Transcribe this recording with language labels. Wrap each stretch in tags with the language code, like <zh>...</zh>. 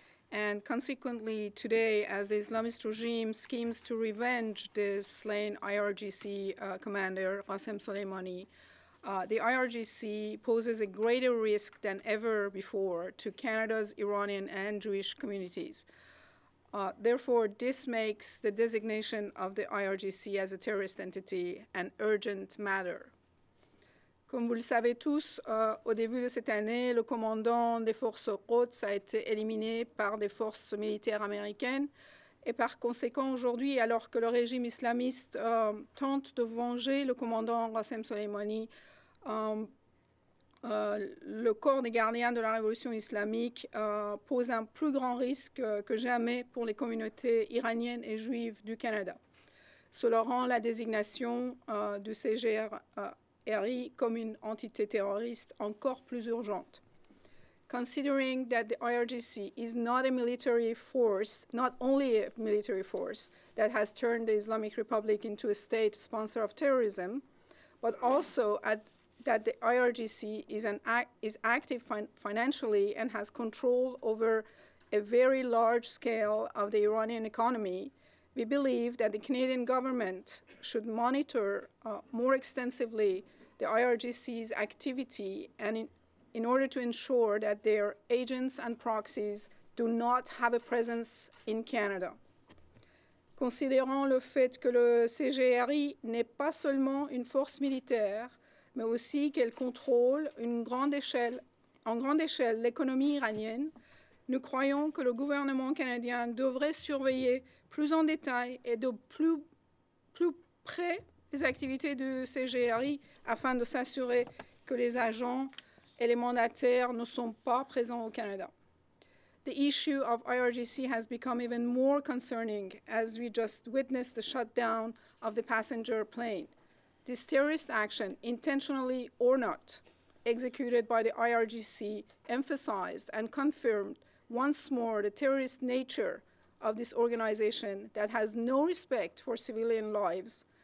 <en>And consequently, today, as the Islamist regime schemes to revenge the slain IRGC commander, Qasem Soleimani, the IRGC poses a greater risk than ever before to Canada's Iranian and Jewish communities. Therefore, this makes the designation of the IRGC as a terrorist entity an urgent matter.</en> <fr>Comme vous le savez tous, au début de cette année, le commandant des forces Qods a été éliminé par des forces militaires américaines. Et par conséquent, aujourd'hui, alors que le régime islamiste tente de venger le commandant Qasem Soleimani, le corps des gardiens de la révolution islamique pose un plus grand risque que jamais pour les communautés iraniennes et juives du Canada. Cela rend la désignation du CGR comme une entité terroriste encore plus urgente.</fr> <en>Considering that the IRGC is not a military force, not only a military force that has turned the Islamic Republic into a state sponsor of terrorism, but also that the IRGC is active financially and has control over a very large scale of the Iranian economy, we believe that the Canadian government should monitor more extensively the IRGC's activity and in order to ensure that their agents and proxies do not have a presence in Canada.</en> <fr>considérant le fait que le CGRI n'est pas seulement une force militaire, mais aussi qu'elle contrôle en grande échelle l'économie iranienne, nous croyons que le gouvernement canadien devrait surveiller plus en détail et de plus près les activités du CGRI afin de s'assurer que les agents et les mandataires ne sont pas présents au Canada.</fr> <en>The issue of IRGC has become even more concerning as we just witnessed the shutdown of the passenger plane. This terrorist action, intentionally or not, executed by the IRGC, emphasized and confirmed once more the terrorist nature of this organization that has no respect for civilian lives.</en>